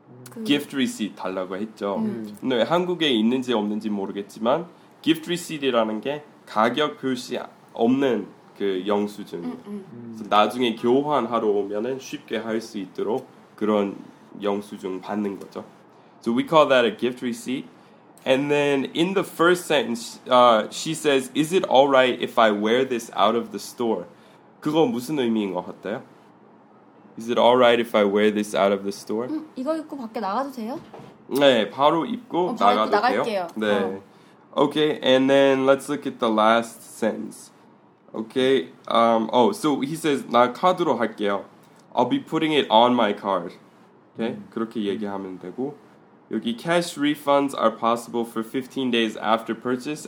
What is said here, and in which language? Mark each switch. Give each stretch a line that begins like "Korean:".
Korean: 그 gift receipt 달라고 했죠. 근데 한국에 있는지 없는지 모르겠지만 gift receipt이라는 게 가격 표시 없는 그 영수증이에요. 그래서 나중에 교환하러 오면은 쉽게 할 수 있도록 그런 영수증 받는 거죠.
English: So we call that a gift receipt. And then in the first sentence, she says, "Is it all right if I wear this out of the store?"
Korean: 그거 무슨 의미인 것 같아요?
English: Is it all right if I wear this out of the store?
Korean: 이거 입고 밖에 나가도 돼요? 네, 바로 입고 나가도 돼요. 네. 어.
English: Okay, and then let's look at the last sentence. Okay, oh, so he says,
Korean: 나 카드로 할게요.
English: I'll be putting it on my card. Okay,
Korean: 그렇게 얘기하면 되고.
English: 여기 cash refunds are possible for 15 days after purchase.